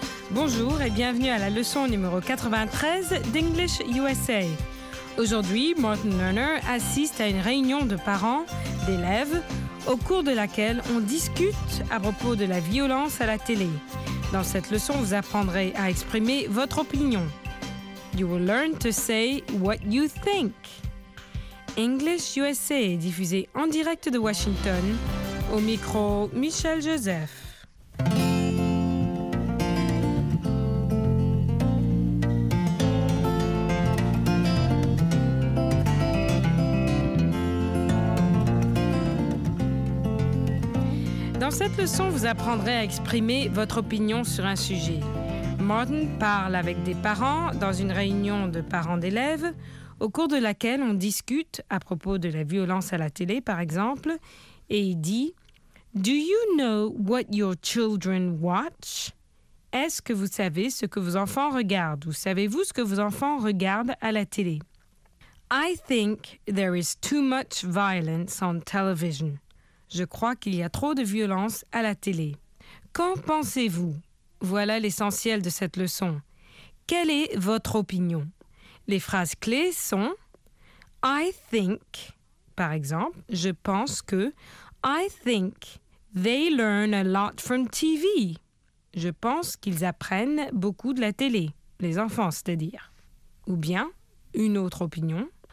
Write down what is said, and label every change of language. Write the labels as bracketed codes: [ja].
[fr] Bonjour et bienvenue à la leçon numéro 93 d'English USA. Aujourd'hui, Martin Lerner assiste à une réunion de parents, d'élèves, au cours de laquelle on discute à propos de la violence à la télé. Dans cette leçon, vous apprendrez à exprimer votre opinion. [en] You will learn to say what you think. [fr] English USA est diffusé en direct de Washington. Au micro, Michel Joseph. Dans cette leçon, vous apprendrez à exprimer votre opinion sur un sujet. Martin parle avec des parents dans une réunion de parents d'élèves au cours de laquelle on discute à propos de la violence à la télé, par exemple, et il dit... [en] Do you know what your children watch? [fr] Est-ce que vous savez ce que vos enfants regardent? Ou savez-vous ce que vos enfants regardent à la télé? [en] I think there is too much violence on television. [fr] Je crois qu'il y a trop de violence à la télé. Qu'en pensez-vous? Voilà l'essentiel de cette leçon. Quelle est votre opinion? Les phrases clés sont [en] I think, [fr] par exemple, je pense que... [en] I think they learn a lot from TV. [fr] Je pense qu'ils apprennent beaucoup de la télé, les enfants, c'est-à-dire. Ou bien, une autre opinion.